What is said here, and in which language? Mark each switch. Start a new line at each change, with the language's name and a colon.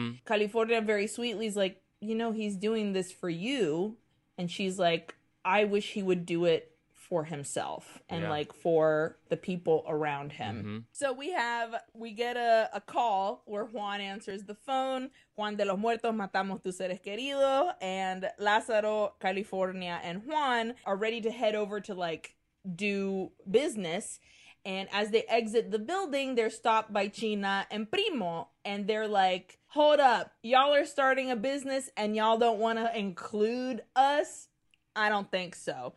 English: California very sweetly is like, you know, he's doing this for you. And she's like, I wish he would do it for himself and like for the people around him. So we get a call where Juan answers the phone.
Spanish: Juan de los Muertos, matamos tus seres queridos.
English: And Lázaro, California, and Juan are ready to head over to like do business. And as they exit the building, they're stopped by China and Primo. And they're like, hold up, y'all are starting a business and y'all don't want to include us? I don't think so.